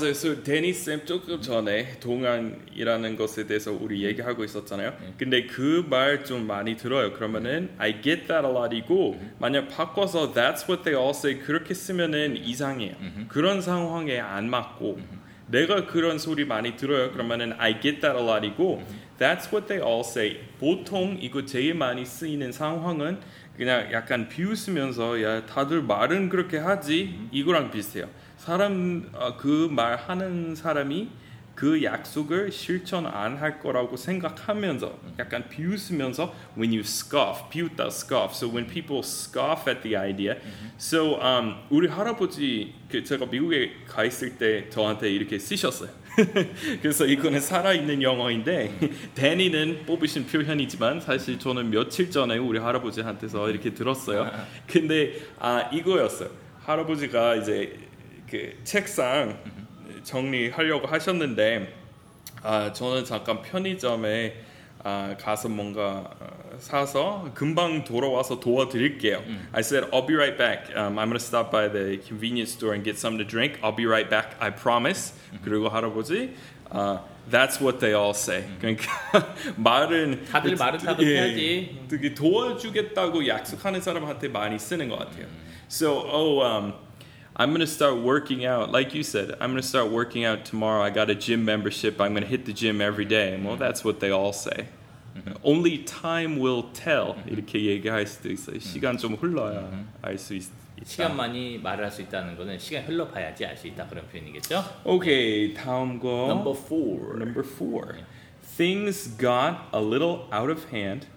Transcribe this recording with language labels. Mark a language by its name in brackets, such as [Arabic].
[Korean] 그래서 데니 쌤 조금 전에 동안이라는 것에 대해서 우리 얘기하고 있었잖아요. 근데 그 말 좀 많이 들어요. 그러면은 [English] I get that a lot이고 [Korean] 만약 바꿔서 [English] That's what they all say [Korean] 그렇게 쓰면은 이상해요. 그런 상황에 안 맞고 내가 그런 소리 많이 들어요. 그러면은 [English] I get that a lot이고 That's what they all say. [Korean] 보통 이거 제일 많이 쓰이는 상황은 그냥 약간 비웃으면서 야 다들 말은 그렇게 하지 이거랑 비슷해요. 사람 그 말 하는 사람이 그 약속을 실천 안 할 거라고 생각하면서 약간 비웃으면서 [English] when you scoff, [Korean] 비웃다 scoff. [English] So when people scoff at the idea. [Korean] So 우리 할아버지 그 제가 미국에 가 있을 때 저한테 이렇게 쓰셨어요. 그래서 이거는 살아있는 영어인데 데니는 뽑으신 표현이지만 사실 저는 며칠 전에 우리 할아버지한테서 이렇게 들었어요. 근데 아 이거였어요. 할아버지가 이제 그 책상 정리하려고 하셨는데 아 저는 잠깐 편의점에 아 가서 뭔가 사서 금방 돌아와서 도와드릴게요. [English] I said I'll be right back. I'm gonna stop by the convenience store and get something to drink. I'll be right back. I promise. [Korean] 그리고 할아버지 아 [English] That's what they all say. [Korean] 그러니까 말은 다들 말은 다 그렇게 하지. 도와주겠다고 약속하는 사람한테 많이 쓰는 것 같아요. [English] So I'm going to start working out. Like you said, I'm going to start working out tomorrow. I got a gym membership. I'm going to hit the gym every day. Well, that's what they all say. Only time will tell. [Korean] 이렇게 얘기할 수도 있어요. 시간 좀 흘러야 알 수 있다. 시간만이 말을 할 수 있다는 거는 시간 흘러봐야지 알 수 있다 그런 표현이겠죠? Okay, 다음 거. [English] Number four. Things got a little out of hand.